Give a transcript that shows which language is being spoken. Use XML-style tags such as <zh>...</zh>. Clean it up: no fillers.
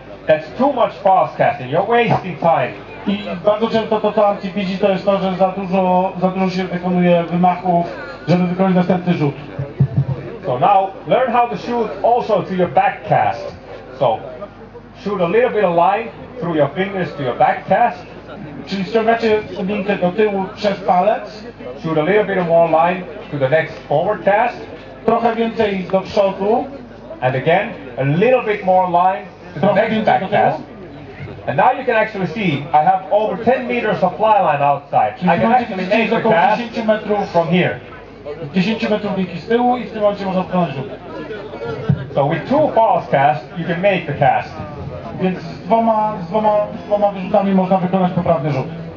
<en>That's too much fast casting, you're wasting time.</en> <pl>I bardzo często to, co Anty widzi, to jest to, że za dużo się wykonuje wymachów, żeby wykonać następny rzut.</pl> <en>So now, learn how to shoot also to your back cast. So, shoot a little bit of line through your fingers to your back cast.</en> <pl>Czyli ściągacie linkę do tyłu przez palec.</pl> <en>Shoot a little bit more line to the next forward cast.</en> <pl>Trochę więcej do przodu.</pl> <en>And again, a little bit more line to the next back cast. And now you can actually see, I have over 10 meters of fly line outside. I can actually make the cast from here.</en> <pl>10 metrów linki z tyłu i w tym momencie można odkręcić rzut.</pl> <en>So with two false casts, you can make the cast.</en> <pl>Więc z dwoma wyrzutami można wykonać poprawny rzut.</pl>